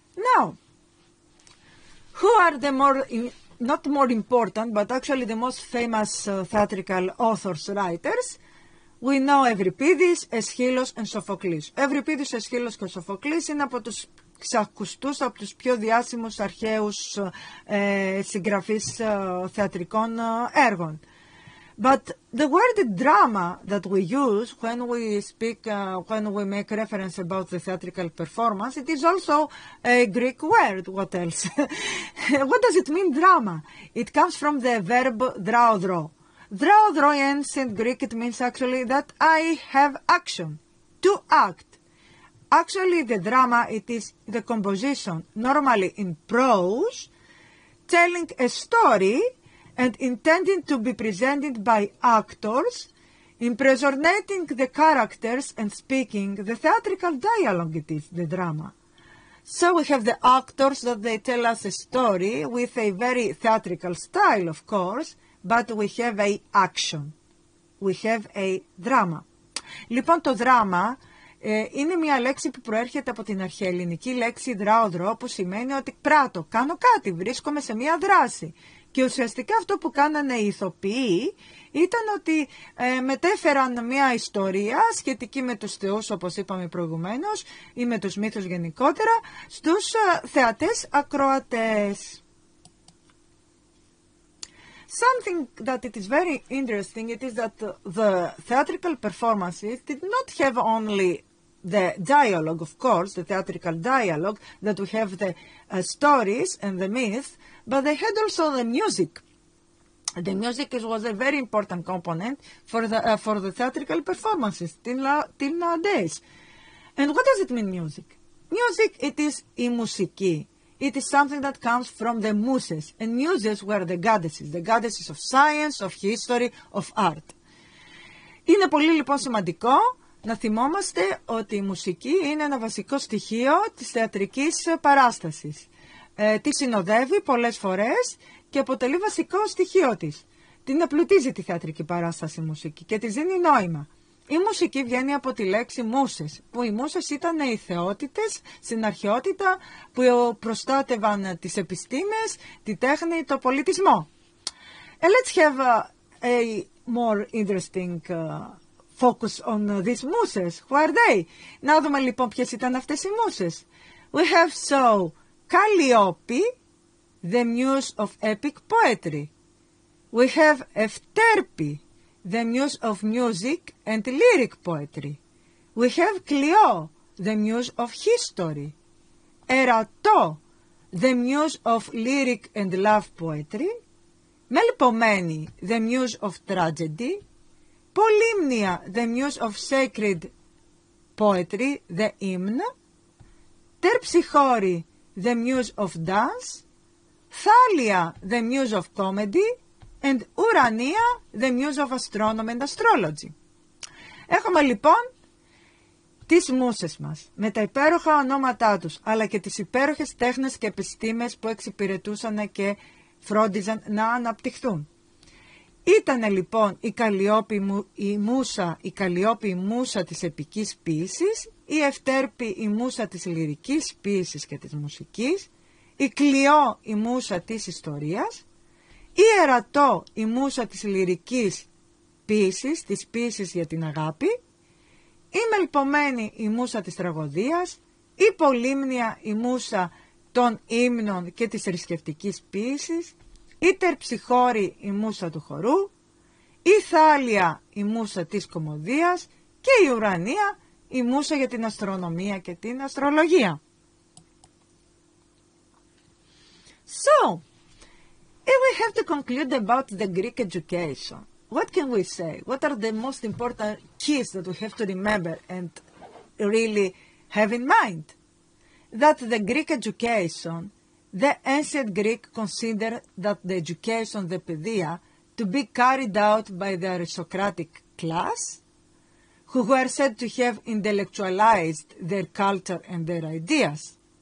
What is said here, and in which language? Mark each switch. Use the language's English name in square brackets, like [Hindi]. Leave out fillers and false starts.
[English] Now, who are the more, not more important, but actually the most famous theatrical authors, writers? We know [Greek] Ευρυπίδης, Αισχύλος [English] and [Greek] Σοφοκλής. Ευρυπίδης, Αισχύλος και Σοφοκλής είναι από τους ξακουστούς, από τους πιο διάσημους αρχαίους συγγραφείς θεατρικών έργων. [English] But the word drama that we use when we speak, when we make reference about the theatrical performance, it is also a Greek word. What else? What does it mean, drama? It comes from the verb draodro. Draodroyens in Greek, it means actually that I have action, to act. Actually, the drama, it is the composition, normally in prose, telling a story and intending to be presented by actors, impersonating the characters and speaking the theatrical dialogue, it is the drama. So we have the actors that they tell us a story with a very theatrical style, of course, but we have a action, we have a drama. [Greek] Λοιπόν, το δράμα Είναι μια λέξη που προέρχεται από την αρχαιοελληνική λέξη δράοδρο, που σημαίνει ότι πράττω, κάνω κάτι, βρίσκομαι σε μια δράση. Και ουσιαστικά αυτό που κάνανε οι ηθοποιοί ήταν ότι μετέφεραν μια ιστορία σχετική με τους θεούς, όπως είπαμε προηγουμένως, ή με τους μύθους γενικότερα, στους θεατές ακροατές. [English] Something that it is very interesting, it is that the theatrical performances did not have only the dialogue, of course, the theatrical dialogue, that we have the stories and the myth, but they had also the music. The music was a very important component for the theatrical performances till nowadays. And what does it mean, music? Music, it is [Greek] η μουσική. [English] It is something that comes from the muses, and muses were the goddesses of science, of history, of art. [Greek] Είναι πολύ λοιπόν σημαντικό να θυμόμαστε ότι η μουσική είναι ένα βασικό στοιχείο της θεατρικής παράστασης. Τη συνοδεύει πολλές φορές και αποτελεί βασικό στοιχείο της. Την απλουτίζει τη θεατρική παράσταση η μουσική και της δίνει νόημα. Η μουσική βγαίνει από τη λέξη μούσες, που οι μούσες ήταν οι θεότητες στην αρχαιότητα που προστάτευαν τις επιστήμες, τη τέχνη, το πολιτισμό. [English] And let's have a more interesting focus on these mooses. Who are they? [Greek] Να δούμε λοιπόν ποιες ήταν αυτές οι μούσες. [English] We have so Calliope, the muse of epic poetry. We have Ευτέρπη, the muse of music and lyric poetry. We have Clio, the muse of history. Ερατό, the muse of lyric and love poetry. Μελπομένη, the muse of tragedy. Πολύμνια, the muse of sacred poetry, the hymn. Τερψυχώρη, the muse of dance. Θάλια, the muse of comedy. And Ουρανία, the muse of astronomy and astrology. [Greek] Έχουμε λοιπόν τις μούσες μας, με τα υπέροχα ονόματά τους, αλλά και τις υπέροχες τέχνες και επιστήμες που εξυπηρετούσαν και φρόντιζαν να αναπτυχθούν. Ήτανε λοιπόν η Καλλιόπη η μούσα της επικής ποίησης, η Ευτέρπη η μούσα της λυρικής ποίησης και της μουσικής, η Κλειό η μούσα της ιστορίας, η Ερατό, η μούσα της λυρικής ποίησης, της ποίησης για την αγάπη, η Μελπομένη, η μούσα της τραγωδίας, η Πολύμνια, η μούσα των ύμνων και της θρησκευτικής ποίησης, η Τερψυχώρη, η μούσα του χορού, η Θάλια, η μούσα της κωμωδίας και η Ουρανία, η μούσα για την αστρονομία και την αστρολογία. [English] So, if we have to conclude about the Greek education, what can we say? What are the most important keys that we have to remember and really have in mind? That the Greek education, the ancient Greek considered that the education, the paideia, to be carried out by the aristocratic class, who were said to have intellectualized their culture and their ideas.